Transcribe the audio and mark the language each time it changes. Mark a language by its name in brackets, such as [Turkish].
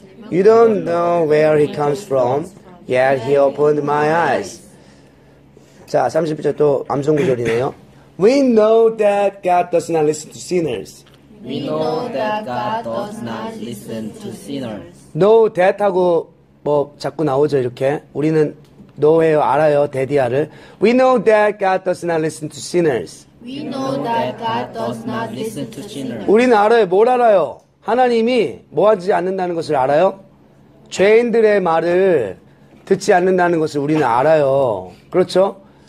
[English] You don't know where he comes from, yet he opened my eyes. [Korean] 자, 31절 또 암송 구절이네요. [English] We know that God does not listen to sinners. We know that God does not listen to sinners. [Korean] Know that 하고 뭐 자꾸 나오죠, 이렇게. 우리는 know예요, 알아요, 데디아를. [English] We know that God does not listen to sinners. We know that God does not listen to sinners. [Korean] 우리는 알아요. 뭘 알아요? 하나님이 뭐 하지 않는다는 것을 알아요? 죄인들의 말을 듣지 않는다는 것을 우리는 알아요. 그렇죠?